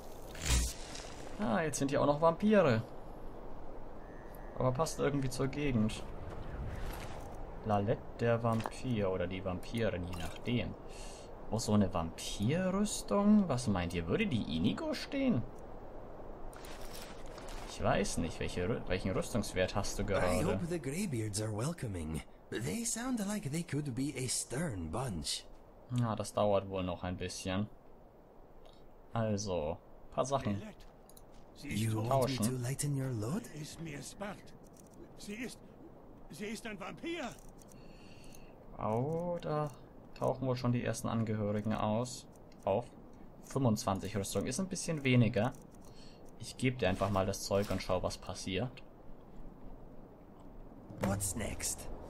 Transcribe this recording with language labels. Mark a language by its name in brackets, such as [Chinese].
[German] Okay. Ah, jetzt sind hier auch noch Vampire. Aber passt irgendwie zur Gegend. Lalette der Vampir oder die Vampirin, je nachdem. Oh, so eine Vampirrüstung? Was meint ihr? Würde die Inigo stehen? Ich weiß nicht, welchen Rüstungswert hast du gerade. [English] I hope the Greybeards are welcoming. They sound like they could be a stern bunch. [German] Na, das dauert wohl noch ein bisschen. Also, paar Sachen. [English] You want me to lighten your load? [German] Ist mir spart. Sie ist ein Vampir. Oh, da tauchen wohl schon die ersten Angehörigen aus. Auf 25 Rüstung ist ein bisschen weniger. Ich gebe dir einfach mal das Zeug und schau, was passiert. [English] What's next?